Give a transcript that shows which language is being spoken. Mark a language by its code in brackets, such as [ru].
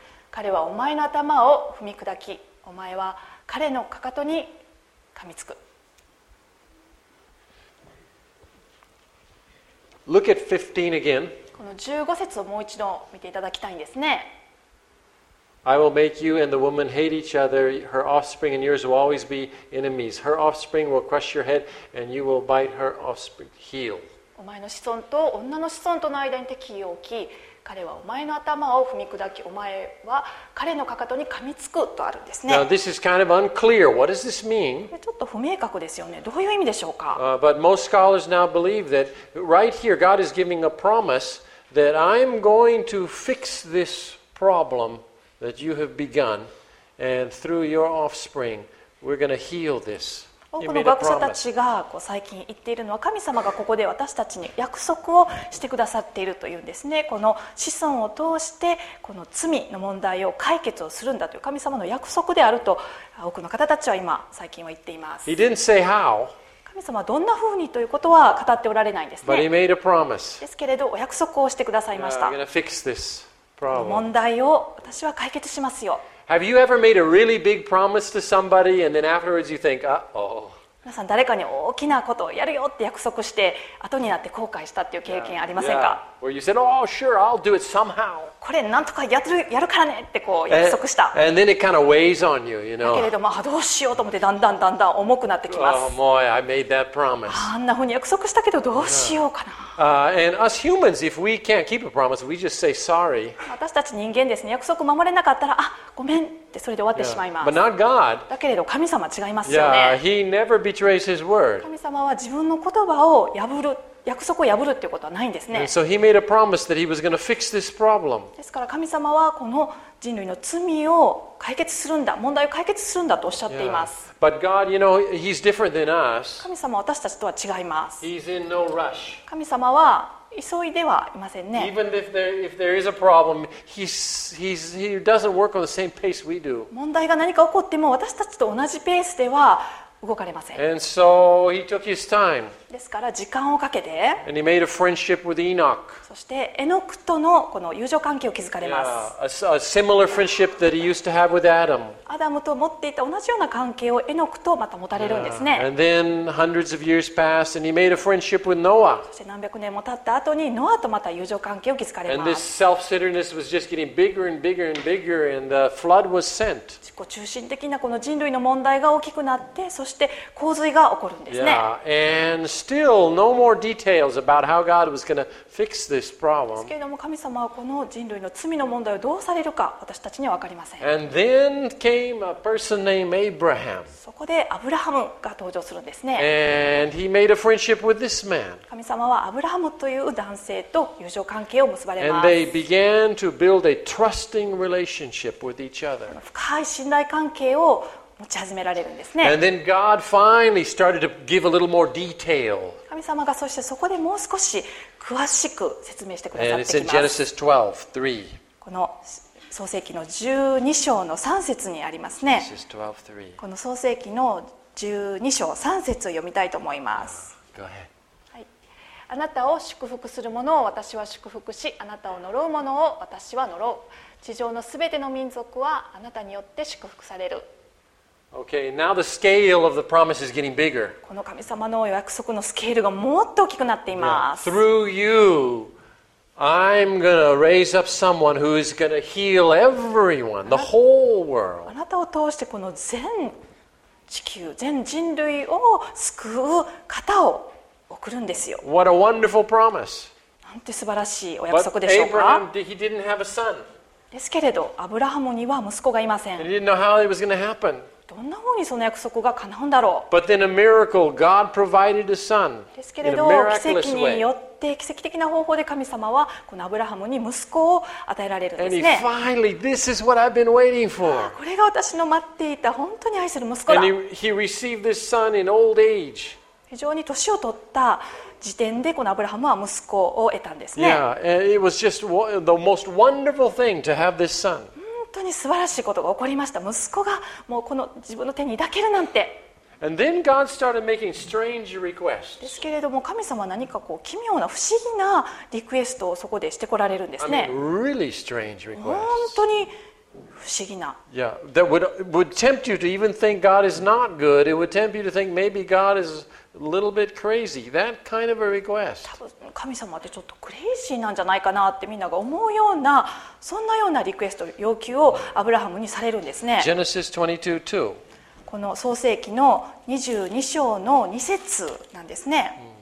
[ja] 彼はお前の頭を踏み砕き、お前は彼のかかとに噛みつく。 [en] Look at 15 again. [ja] この15節をもう一度見ていただきたいんですね。 [en] I will make you and the woman hate each other. Her offspring and yours will always be enemies. Her offspring will crush your head and you will bite her offspring's heel. [ja] お前の子孫と女の子孫との間に敵を置き、彼はお前の頭を踏み砕き、お前は彼のかかとに噛みつくとあるんですね。 [en] Now, this is kind of unclear. What does this mean? [ja] ちょっと不明確ですよね。どういう意味でしょうか？ [en] But most scholars now believe that right here God is giving a promise that I'm going to fix this problem that you have begun and through your offspring we're going to heal this. [ja] 多くの学者たちがこう最近言っているのは、神様がここで私たちに約束をしてくださっているというんですね。この子孫を通してこの罪の問題を解決をするんだという神様の約束であると多くの方たちは今最近は言っています。 [en] He didn't say how. [ja] 神様はどんなふうにということは語っておられないんですね。 [en] But he made a promise. [ja] ですけれど、お約束をしてくださいました。 [en] I'm gonna fix this problem. [ja] 問題を私は解決しますよ。 [en] Have you ever made a really big promise to somebody and then afterwards you think, uh-oh. [ja] 皆さん誰かに大きなことをやるよって約束して、後になって後悔したっていう経験ありませんか？ [en] Yeah. Or you said, oh, sure, I'll do it somehow. [ja] これなんとかやるからねってこう約束した。 [en] And then it kind of weighs on you, you know. [ja] だけれども、どうしようと思ってだんだん重くなってきます。 [en] Oh, boy, I made that promise. [ja] あんなふうに約束したけどどうしようかな。 [en] And us humans, if we can't keep a promise, we just say sorry. [ja] 私たち人間ですね、約束守れなかったら、あ、ごめんってそれで終わってしまいます。 [en] But not God. [ja] だけれど神様は違いますよね。 [en] Yeah, he never betrays his word. [ja] 神様は自分の言葉を破る。約束を破るということはないんですね。 [en] So he made a promise that he was going to fix this problem. [ja] ですから神様はこの人類の罪を解決するんだ、問題を解決するんだとおっしゃっています。 [en] Yeah. But God, you know, he's different than us. [ja] 神様は私たちとは違います。 [en] He's in no rush. [ja] 神様は急いではいませんね。 [en] Even if there is a problem, he doesn't work on the same pace we do. [ja] 問題が何か起こっても私たちと同じペースでは動かれません。 [en] And so he took his time. [ja] ですから時間をかけて。 [en] And he made a friendship with Enoch. [ja] そしてエノクとのこの友情関係を築かれます。 [en] A similar friendship that he used to have with Adam. [ja] アダムと持っていた同じような関係をエノクとまた持たれるんですね。 [en] And then hundreds of years passed, and he made a friendship with Noah. [ja] そして何百年も経った後にノアとまた友情関係を築かれます。 [en] And this self-centeredness was just getting bigger and bigger and bigger, and the flood was sent. [ja] 自己中心的なこの人類の問題が大きくなって、そして洪水が起こるんですね。 [en] And still no more details about how God was going to fix this problem. [ja] ですけれども神様はこの人類の罪の問題をどうされるか私たちには分かりません。 [en] And then came a person named Abraham. [ja] そこでアブラハムが登場するんですね。 [en] And he made a friendship with this man. [ja] 神様はアブラハムという男性と友情関係を結ばれます。 [en] And they began to build a trusting relationship with each other. [ja] 深い信頼関係を持ち始められるんですね。 [en] And then God finally started to give a little more detail. [ja] 神様がそしてそこでもう少し詳しく説明してくださってきます。 [en] And it's in Genesis 12:3. [ja] この創世記の12章の3節にありますね。 [en] Genesis 12:3. [ja] この創世記の12章3節を読みたいと思います。 [en] Go ahead. [ja] はい。あなたを祝福する者を私は祝福し、あなたを呪う者を私は呪う。地上のすべての民族はあなたによって祝福される。 [en] Okay, now the scale of the promise is getting bigger. [ja] この神様の約束のスケールがもっと大きくなっています。 [en] Yeah. Through you, I'm gonna raise up someone who is gonna heal everyone, the whole world. [ja] あなたを通してこの全地球、全人類を救う方を送るんですよ。 [en] What a wonderful promise! [ja] なんて素晴らしいお約束でしょうか。 [en] But Abraham, he didn't have a son. [ja] ですけれど、アブラハムには息子がいません。 [en] He didn't know how it was gonna happen. [ja] どんなふうにその約束が叶うんだろう。 [en] But then a miracle, God provided a son. [ja] ですけれど、奇跡によって奇跡的な方法で神様はこのアブラハムに息子を与えられるんですね。 [en] And finally, this is what I've been waiting for. [ja] これが私の待っていた本当に愛する息子だ。 [en] And he received this son in old age. [ja] 非常に年を取った時点でこのアブラハムは息子を得たんですね。 [en] Yeah, it was just the most wonderful thing to have this son. [ja] 本当に素晴らしいことが起こりました。息子がもうこの自分の手に抱けるなんて。 [en] And then God started making strange requests. [ja] ですけれども神様は何かこう奇妙な不思議なリクエストをそこでしてこられるんですね。 [en] I mean, really strange requests. [ja] 本当に不思議な。 [en] Yeah, that would tempt you to even think God is not good. It would tempt you to think maybe God is a little bit crazy. That kind of a request. [ja] 多分神様ってちょっとクレイジーなんじゃないかなってみんなが思うようなそんなようなリクエスト要求をアブラハムにされるんですね。 [en] Genesis 22:2. [ja] この創世記の22章の2節なんですね。